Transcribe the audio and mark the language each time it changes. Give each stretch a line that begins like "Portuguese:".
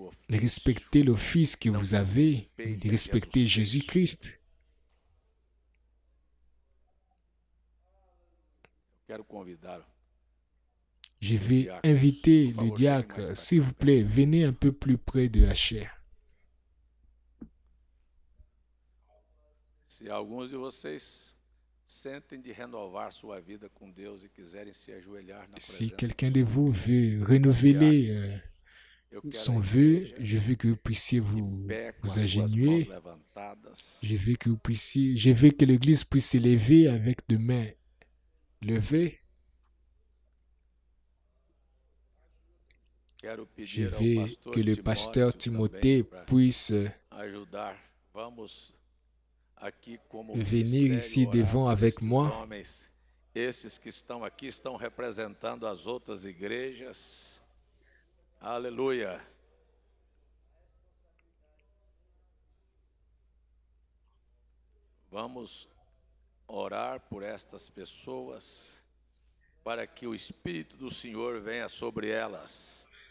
French: Respectez l'office que vous avez. Respectez Jésus Christ. Je vais inviter le diacre, s'il vous plaît, venez un peu plus près de la chair.
Portuguese: Si alguns de vocês sentem de renovar sua vida com Deus e quiserem se ajoelhar na
French: Si quelqu'un de vous veut renouveler son vœu, je veux que vous puissiez vous agenouiller. Je veux que l'église puisse s'élever avec des mains levées. Je veux que le pasteur Timothée puisse venir ici devant avec moi.
Portuguese: Esses que estão aqui estão representando as outras igrejas. Aleluia. Vamos orar por estas pessoas para que o Espírito do Senhor venha sobre elas.